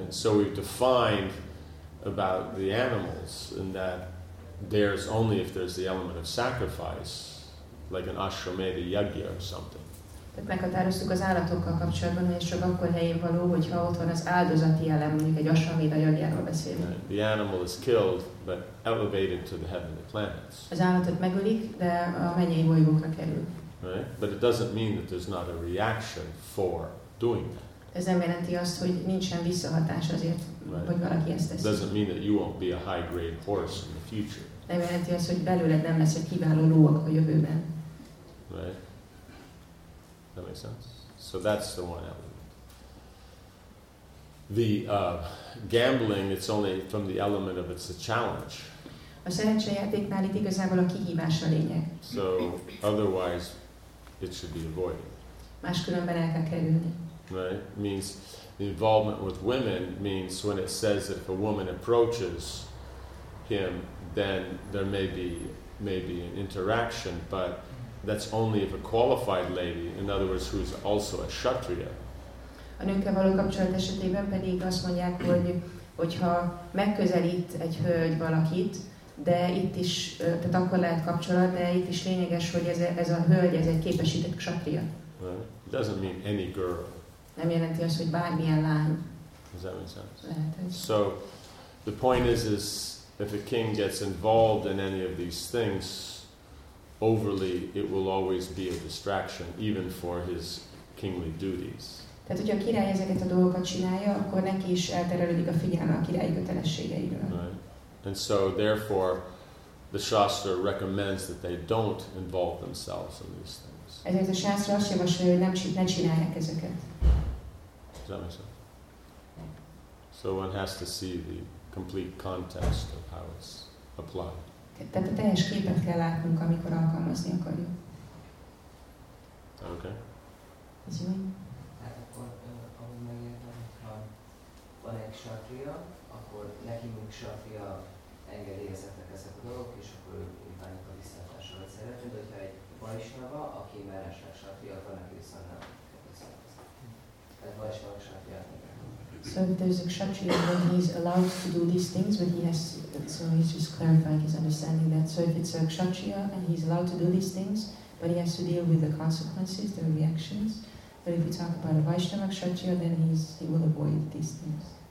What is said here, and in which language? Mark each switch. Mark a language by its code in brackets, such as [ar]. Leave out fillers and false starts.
[en] Right? So we've defined about the animals and that there's only if there's the element of sacrifice, like an ashwamedha yagya or something. [hu] Tehát meghatároztuk az állatokkal kapcsolatban, hogy csak akkor helyén való, hogyha ott van az áldozati elem, mondjuk egy ashwamedha yagyáról beszélünk. [en] Right. The animal is killed, but elevated to the heavenly planets. [hu] Az állatot megölik, de a mennyei bolygókra kerül. [en] Right? But it doesn't mean that there's not a reaction for doing that. [hu] Ez nem jelenti azt, hogy nincsen visszahatás azért, right, hogy valaki ezt teszi. [en] Doesn't mean that you won't be a high grade horse in the future. [hu] Nem jelenti azt, hogy belőled nem lesz egy kiváló ló a jövőben. [en] Right. That makes sense. So that's the one element. The gambling, it's only from the element of it's a challenge. [hu] A szerencsejátéknál itt igazából a kihívás a lényeg. [en] So otherwise it should be avoided. [hu] Máskülönben el kell kerülni. [en] Right? Means the involvement with women means when it says that if a woman approaches him, then there may be an interaction, but that's only if a qualified lady, in other words, who is also a kshatriya. [hu] A nőkkel való kapcsolat esetében pedig azt mondják, hogyha megközelít egy hölgy valakit, de itt is, tehát akkor lehet kapcsolat, de itt is lényeges, hogy ez a hölgy, ez egy képesített kshatriya. [en] Right? It doesn't mean any girl. [hu] Nem jelenti azt, hogy bármilyen lány. [en] Does that make sense? [hu] Lehet, [en] so, the point is if a king gets involved in any of these things overly, it will always be a distraction, even for his kingly duties. [hu] Tehát, hogyha a király ezeket a dolgokat csinálja, akkor neki is elterelődik a figyelme a királyi kötelességeiről. [en] Right. And so, therefore, the Shastra recommends that they don't involve themselves in these things. [hu] Ezért a sászra azt javasolja, hogy ne csinálják ezeket. [en] So one has to see the complete context of how it's applied. [hu] Tehát a teljes képet kell látnunk, amikor alkalmazni akarjuk. [en] Okay. [hu] Ez jó? Hát akkor, ahogy megértem, hogy van egy kshatriya, akkor neki, mint kshatriya, engedélyezettek ezek a dolgok, és akkor ő válik a visszatásra, hogy szeretnéd, hogyha egy Vaisnava, aki mellesleg sattvia, neki viszont nem kell visszatásra. Tehát Vaisnava sattvia. [en] So if there's a kshatriya, he's allowed to do these things, but so he's just clarifying his understanding that. So if it's a kshatriya, and he's allowed to do these things, but he has to deal with the consequences, the reactions. But if we talk about a Vaisnava kshatriya, then he will avoid these things.